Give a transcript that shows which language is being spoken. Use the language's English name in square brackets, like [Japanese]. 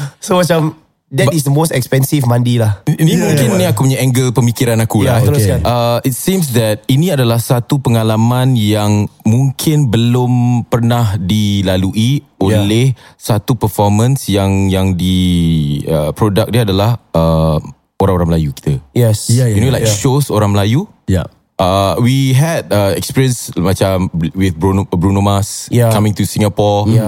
[English] So macam, that is the most expensive mandi lah. [Malay] Ini mungkin ni aku punya angle pemikiran aku lah. [English] It seems that [Malay] ini adalah satu pengalaman yang mungkin belum pernah dilalui oleh satu performance yang di produk dia adalah orang-orang Melayu kita. [English] Yes. [Malay] Shows orang Melayu. [English] We had experience macam with Bruno Mars coming to Singapore.